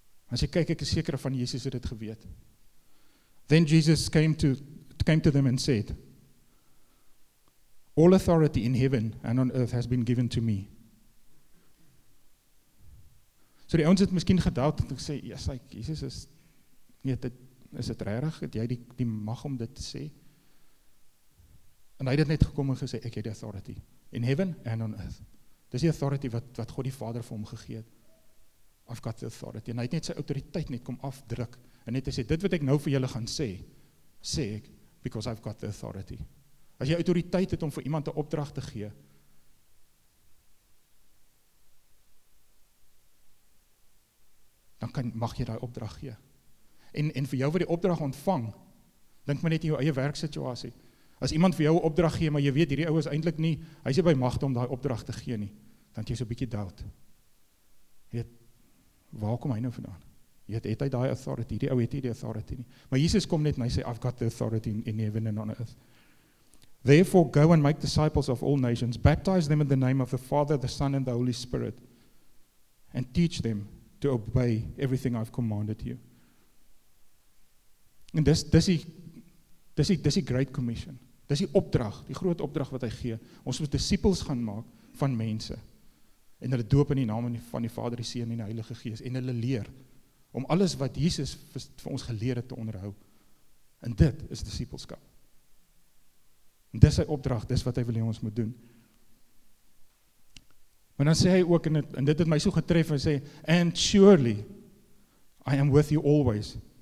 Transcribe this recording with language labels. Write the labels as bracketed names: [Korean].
[Afrikaans] As jy kyk, ek is seker van Jesus het dit geweet. [English] Then Jesus came to them and said, all authority in heaven and on earth has been given to me. [Afrikaans] So die ouens het miskien gedoubt en ek sê, yes, like, Jesus is, nie dit, is dit rarig, het jy die mag om dit te sê? En hy het net gekom en gesê, ek het die authority, [English] in heaven and on earth. [Afrikaans] Dis die authority wat God die Vader vir hom gegee het. [English] I've got the authority. [Afrikaans] En hy het net sy autoriteit net kom afdruk, en net gesê, dit wat ek nou vir julle gaan sê, sê ek, [English] because I've got the authority. [Afrikaans] As jy autoriteit het om vir iemand 'n opdrag te gee, dan mag jy die opdrag gee. En vir jou wat die opdrag ontvang, dink maar net in jou eie werksituasie. As iemand vir jou een opdrag gee, maar jy weet, hierdie ou is eintlik nie, hy is nie by magte om die opdrag te gee nie, dan jy so 'n bietjie doubt. Jy weet, waar kom hy nou vandaan? Jy weet, het hy die authority, hierdie ou het hy die authority nie. Maar Jesus kom net en hy sê, [English] I've got the authority in heaven and on earth. Therefore go and make disciples of all nations, baptize them in the name of the Father, the Son and the Holy Spirit, and teach them to obey everything I've commanded you. [Afrikaans] En dis die [English] great commission. [Afrikaans] Dis die opdrag, die groot opdrag wat hy gee. Ons moet disippels gaan maak van mense. En hulle doop in die naam van die Vader, die Seun en die Heilige Gees. En hulle leer om alles wat Jesus vir ons geleer het te onderhou. En dit is disippelskap. En dis sy opdrag, dis wat hy wil hê ons moet doen. Maar dan sê hy ook, en dit het my so getref, hy sê, [English] and surely I am with you always.